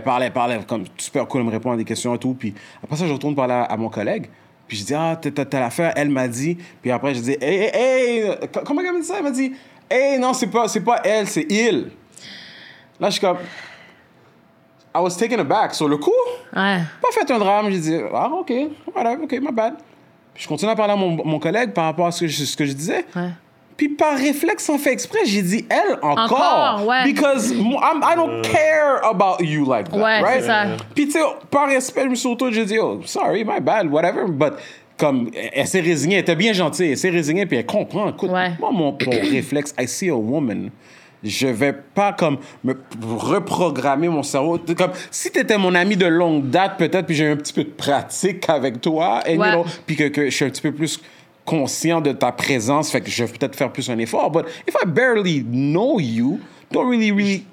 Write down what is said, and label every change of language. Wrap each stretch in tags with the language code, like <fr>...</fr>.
<fr>puis parlait comme super cool elle me répond à des questions et tout puis après ça je retourne parler à mon collègue puis je dis ah t'as l'affaire elle m'a dit puis après je dis hey comment elle m'a dit ça elle m'a dit hey non c'est pas elle c'est il. Là, je suis comme,</fr> <en>I was taken aback.</en> <fr>Sur le coup, ouais. pas fait un drame. J'ai dit, ah,</fr> <en>OK, whatever, OK, my bad.</en> <fr>Puis je continue à parler à mon collègue par rapport à ce que je disais. Ouais. Puis par réflexe, sans fait exprès, j'ai dit, elle, encore ouais.</fr> <en>Because I don't care about you like that,</en> <fr>ouais,</fr> <en>right?</en> <fr>C'est ça. Puis tu sais, par respect, je me suis retourné, j'ai dit,</fr> <en>oh, sorry, my bad, whatever.</en> <fr>But comme, elle s'est résignée, elle était bien gentille, elle s'est résignée, puis elle comprend. Écoute, ouais. moi, mon réflexe,</fr> <en>I see a woman.</en> <fr>Je vais pas comme me reprogrammer mon cerveau. Comme si t'étais mon ami de longue date, peut-être, puis j'ai un petit peu de pratique avec toi, et ouais. you know, puis que je suis un petit peu plus conscient de ta présence, fait que je vais peut-être faire plus un effort.</fr> <en>But if I barely know you, don't really, really.</en>